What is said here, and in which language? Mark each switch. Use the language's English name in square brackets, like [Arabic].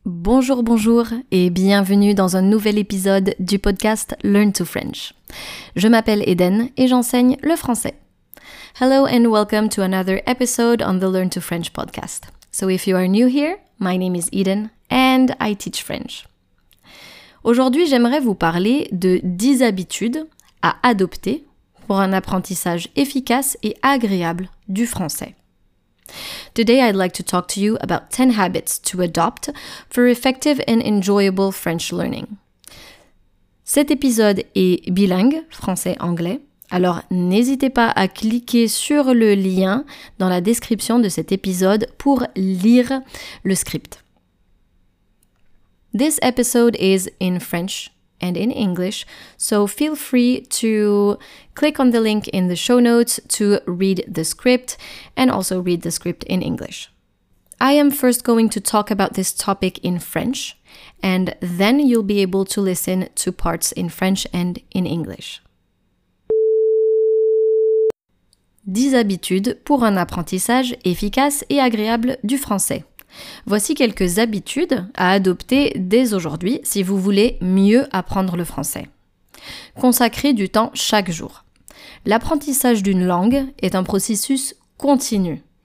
[French] Bonjour, bonjour et bienvenue dans un nouvel épisode du podcast Learn to French. Je m'appelle Eden et j'enseigne le français. [English] Hello and welcome to another episode on the Learn to French podcast. So if you are new here, my name is Eden and I teach French. [French] Aujourd'hui, j'aimerais vous parler de 10 habitudes à adopter pour un apprentissage efficace et agréable du français. [English] Today, I'd like to talk to you about 10 habits to adopt for effective and enjoyable French learning. [French] Cet épisode est bilingue, français-anglais, alors n'hésitez pas à cliquer sur le lien dans la description de cet épisode pour lire le script. [English] This episode is in French and in English, so feel free to click on the link in the show notes to read the script and also read the script in English. I am first going to talk about this topic in French, and then you'll be able to listen to parts in French and in English. [French] 10 habitudes pour un apprentissage efficace et agréable du français. Voici quelques habitudes à adopter dès aujourd'hui si vous voulez mieux apprendre le français. Consacrer du temps chaque jour. L'apprentissage d'une langue est un processus continu.